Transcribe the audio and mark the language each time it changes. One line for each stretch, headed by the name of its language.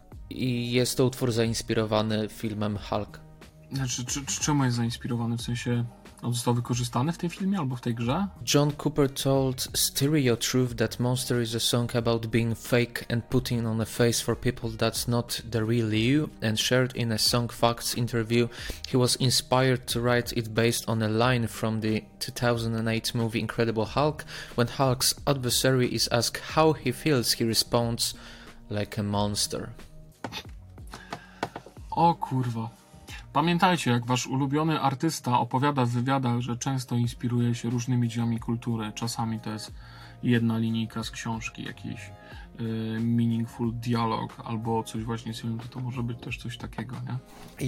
Polish: I jest to utwór zainspirowany filmem Hulk. Znaczy, czemu jest zainspirowany? W sensie, on został wykorzystany w tym filmie albo w tej grze?
English: John Cooper told Stereo Truth that Monster is a song about being fake and putting on a face for people that's not the real you, and shared in a Song Facts interview he was inspired to write it based on a line from the 2008 movie Incredible Hulk. When Hulk's adversary is asked how he feels, he responds like a monster.
Polish: O kurwa. Pamiętajcie, jak wasz ulubiony artysta opowiada w wywiadach, że często inspiruje się różnymi dziełami kultury. Czasami to jest jedna linijka z książki, jakiś meaningful dialog albo coś właśnie z filmu, to może być też coś takiego, nie?